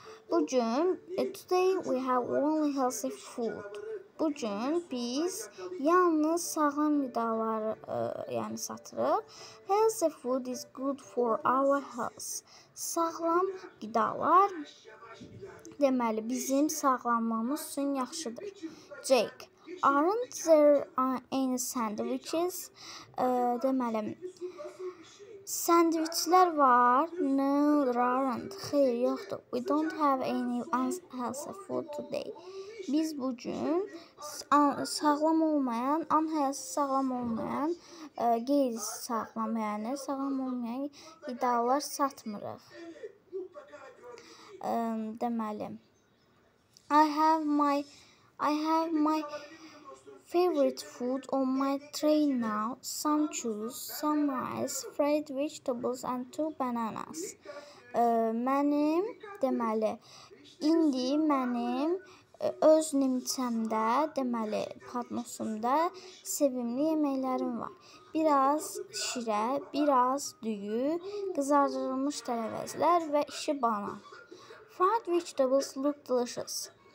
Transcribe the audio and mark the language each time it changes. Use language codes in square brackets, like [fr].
[en] Bugün, today we have only healthy food. [az] Bugün biz yalnız sağlam qidaları yəni satırıq. [en] Healthy food is good for our health. [az] Sağlam qidalar deməli bizim sağlamlığımız üçün yaxşıdır. [en] Jake, aren't there any sandwiches? [az] Deməli sandviçlər var. [en] No, there aren't. [az] Xeyr, yoxdur. [en] We don't have any unhealthy food today. [az] Biz bugün sağlam olmayan, unhealthy sağlam olmayan, qeyri sağlam, yəni sağlam olmayan qidalar satmırıq. [en] Deməli, I have my favorite food on my tray now. Some juice, some rice, fried vegetables and two bananas. [az] Mənim, deməli, indi mənim öz nimçəmdə, deməli, padnosumda sevimli yeməklərim var. Biraz şirə, biraz düyü, qızardırılmış tərəvəzlər və iki banan. [en] Fried vegetables look delicious.